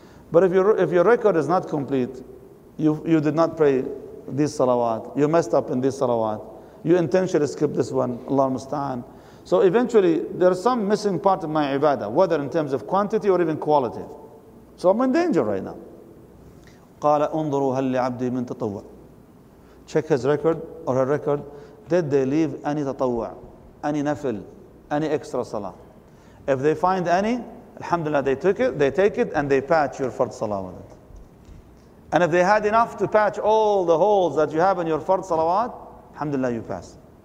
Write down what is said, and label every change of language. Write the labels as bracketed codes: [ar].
[en] But if your record is not complete, you did not pray these salawat, you messed up in these salawat, you intentionally skipped this one, Allahumma musta'an. So eventually, there's some missing part of my ibadah, whether in terms of quantity or even quality. So I'm in danger right now. [ar] قال انظروا هل لعبدي من تطوع. [en] Check his record or her record. Did they leave any تطوع, any nafil, any extra salah? If they find any, alhamdulillah, they took it, they take it, and they patch your fard salah with it. And if they had enough to patch all the holes that you have in your fard salawat, alhamdulillah, you pass.